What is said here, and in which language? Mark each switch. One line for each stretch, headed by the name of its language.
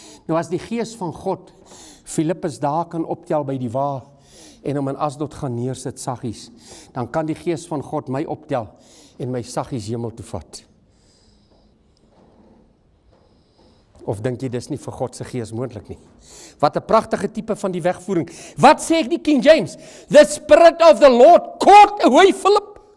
Afrikaans: Nou as die gees van God Filippus daar kan optel by die wa en hom in Asdod gaan neersit, saggies, dan kan die gees van God my optel en my saggies hemel toe vat. Of denk jy, dis nie vir Godse gees moontlik nie? Wat een prachtige type van die wegvoering. Wat sê ek die King James?
English: The Spirit of the Lord caught away, Philip.